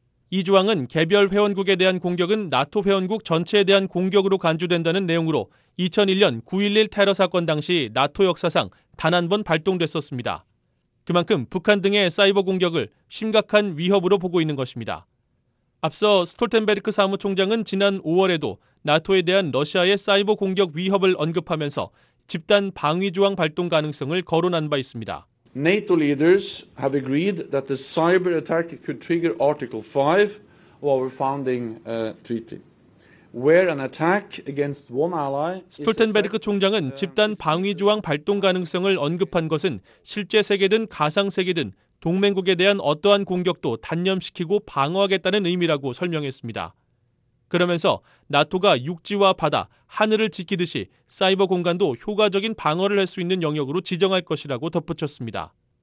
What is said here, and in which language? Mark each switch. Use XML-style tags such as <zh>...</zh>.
<ko>이 조항은 개별 회원국에 대한 공격은 나토 회원국 전체에 대한 공격으로 간주된다는 내용으로 2001년 9.11 테러 사건 당시 나토 역사상 단 한 번 발동됐었습니다. 그만큼 북한 등의 사이버 공격을 심각한 위협으로 보고 있는 것입니다. 앞서 스톨텐베르크 사무총장은 지난 5월에도 나토에 대한 러시아의 사이버 공격 위협을 언급하면서 집단 방위 조항 발동 가능성을 거론한 바 있습니다.</ko> <en>NATO leaders have agreed that the cyber attack could trigger Article 5 of our founding treaty. Where an attack against one ally.</en> <ko>스톨텐베르크 총장은 집단 방위 조항 발동 가능성을 언급한 것은 실제 세계든 가상 세계든 동맹국에 대한 어떠한 공격도 단념시키고 방어하겠다는 의미라고 설명했습니다. 그러면서 나토가 육지와 바다, 하늘을 지키듯이 사이버 공간도 효과적인 방어를 할 수 있는 영역으로 지정할 것이라고 덧붙였습니다.</ko>